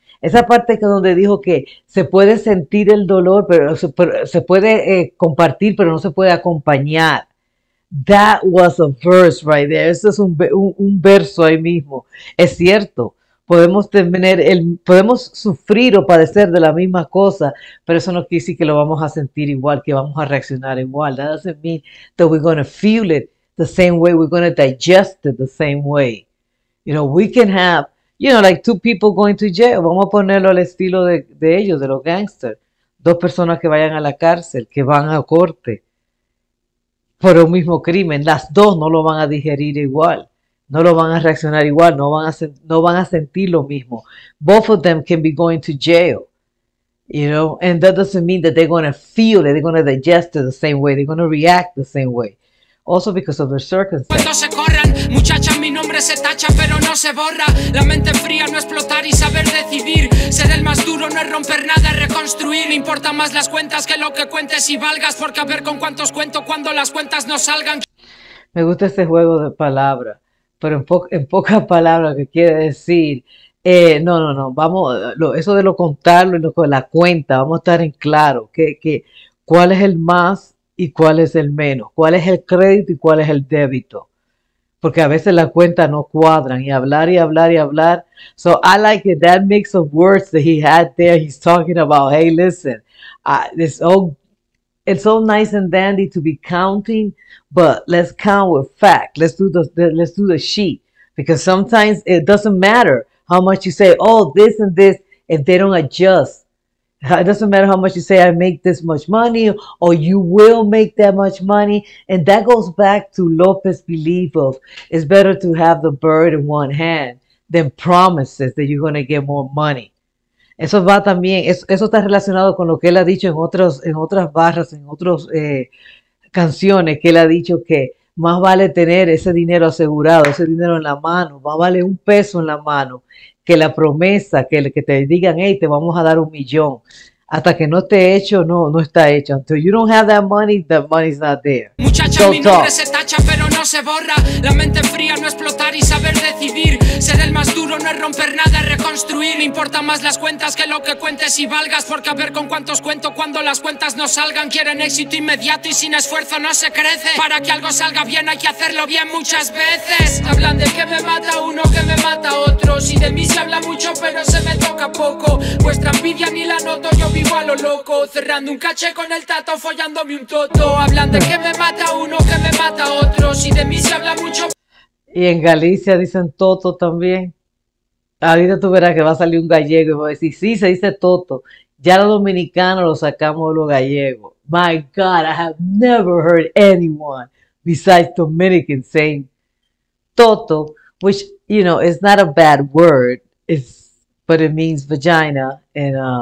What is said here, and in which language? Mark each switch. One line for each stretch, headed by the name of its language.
Spanish: Esa parte que donde dijo que se puede sentir el dolor, pero se puede compartir, pero no se puede acompañar.
English: That was a verse right there.
Spanish: Eso es un verso ahí mismo. Es cierto, podemos sufrir o padecer de la misma cosa, pero eso no quiere decir que lo vamos a sentir igual, que vamos a reaccionar igual.
English: That doesn't mean that we're going to feel it the same way, we're going to digest it the same way. You know, we can have. You know, like two people going to jail.
Spanish: Vamos a ponerlo al estilo de ellos, de los gangsters. Dos personas que vayan a la cárcel, que van a corte por un mismo crimen. Las dos no lo van a digerir igual. No lo van a reaccionar igual. No van a sentir lo mismo.
English: Both of them can be going to jail. You know, and that doesn't mean that they're going to feel it. They're going to digest it the same way. They're going to react the same way. Also because of their circumstances.
Spanish: Muchacha, mi nombre se tacha pero no se borra. La mente fría, no explotar y saber decidir. Ser el más duro, no es romper nada, es reconstruir. Me importan más las cuentas que lo que cuentes y valgas, porque a ver con cuántos cuento cuando las cuentas no salgan. Me gusta este juego de palabras, pero en pocas palabras, ¿qué quiere decir? No, no, no, vamos, eso de lo contarlo y lo con la cuenta, vamos a estar en claro, ¿cuál es el más y cuál es el menos? ¿Cuál es el crédito y cuál es el débito? Porque a veces las cuentas no cuadran y hablar y hablar y hablar.
English: So I like it, that mix of words that he had there. He's talking about, hey, listen, it's all nice and dandy to be counting, but let's count with fact. Let's do the sheet. Because sometimes it doesn't matter how much you say, oh, this and this, if they don't adjust. It doesn't matter how much you say, I make this much money, or you will make that much money. And that goes back to Lopez's belief of it's better to have the bird in one hand than promises that you're going to get more money.
Spanish: Eso va también, eso está relacionado con lo que él ha dicho en otras barras, en otras canciones, que él ha dicho que más vale tener ese dinero asegurado, ese dinero en la mano, más vale un peso en la mano. Que la promesa, que te digan, hey, te vamos a dar 1 millón. Hasta que no esté hecho, no, no está hecho.
English: Until you don't have that money is not there.
Spanish: Muchacha,
English: Don't
Spanish: mi nombre
English: talk.
Spanish: se tacha, pero no se borra. La mente fría, no explotar y saber decidir. Ser el más duro, no es romper nada, es reconstruir. Me importan más las cuentas que lo que cuentes y valgas, porque a ver con cuántos cuento cuando las cuentas no salgan. Quieren éxito inmediato y sin esfuerzo no se crece. Para que algo salga bien hay que hacerlo bien muchas veces. Hablan de que me mata uno, que me mata otro. Si de mí se habla mucho, pero se me toca poco. Vuestra envidia ni la noto, yo vivo a lo loco. Cerrando un caché con el tato, follándome un toto. Hablan de que me mata uno, que me mata otro. Si de mí se habla mucho. Y en Galicia dicen toto también. Ahorita tú verás que va a salir un gallego y va a decir, sí, se dice toto. Ya los dominicanos lo sacamos los gallegos.
English: My God, I have never heard anyone besides Dominican saying toto, which, you know, it's not a bad word, but it means vagina. And